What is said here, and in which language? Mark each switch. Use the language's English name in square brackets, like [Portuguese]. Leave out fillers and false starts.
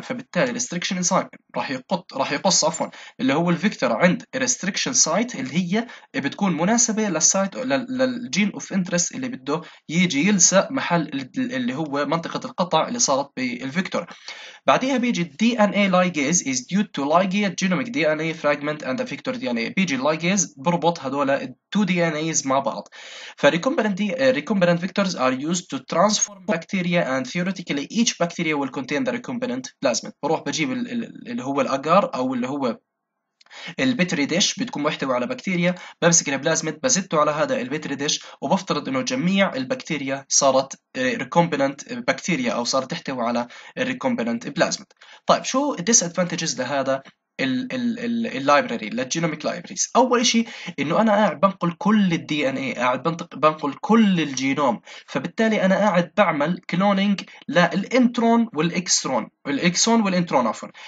[Arabic] فبالتالي الريستريكشن انزيم راح يقص عفوا اللي هو الفيكتور عند الريستريكشن سايت اللي هي بتكون مناسبه للسايت للجين اوف انترست اللي بده يجي يلصق محل اللي هو منطقه القطع اللي صارت بالفيكتور. بعدها بيجي [English] الدي N A ligase is due to ligate genomic D N A fragment and the vector D N A. [Arabic] بيجي اللايجيز بربط هذول التو دي ان ايز مع بعض. [English] Recombinant vectors are used to transform bacteria and theoretically each bacteria will contain the recombinant plasmid. [Arabic] بروح بجيب اللي هو الأجار أو اللي هو البتري ديش بتكون محتوي على بكتيريا، بمسك البلازميد بزته على هذا البتري ديش وبفترض انه جميع البكتيريا صارت ريكومبيننت بكتيريا او صارت تحتوي على الريكومبيننت بلازميد. طيب شو الديس ادفانتجز لهذا اللايبراري للجينوميك لايبريز؟ اول شيء انه انا قاعد بنقل كل الدي ان اي، قاعد بنقل كل الجينوم، فبالتالي انا قاعد بعمل كلونينج للانترون والاكسترون، الاكسون والانترون عفوا.